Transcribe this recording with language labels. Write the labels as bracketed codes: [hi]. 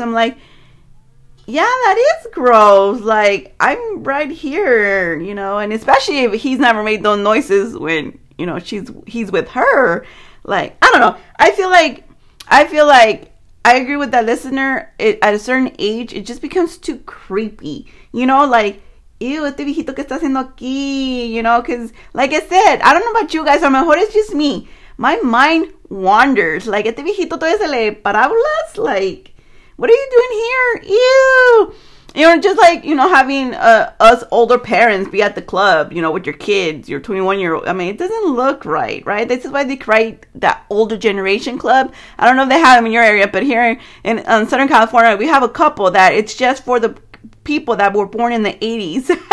[en] I'm like, yeah, that is gross. Like, I'm right here, you know. And especially if he's never made those noises when, you know, he's with her. Like, I don't know. I feel like I agree with that listener. At a certain age, it just becomes too creepy. You know, like, ew, [es] este viejito que está haciendo aquí. [en] You know, because like I said, I don't know about you guys. [es] A lo mejor [en] it's just me. My mind wanders. Like, [es] este viejito todavía se le parablas. [en] Like, what are you doing here? Ew. You know, just like, you know, having us older parents be at the club, you know, with your kids, your 21-year-old. I mean, it doesn't look right, right? This is why they create that older generation club. I don't know if they have them in your area, but here in Southern California, we have a couple that it's just for the people that were born in the 80s.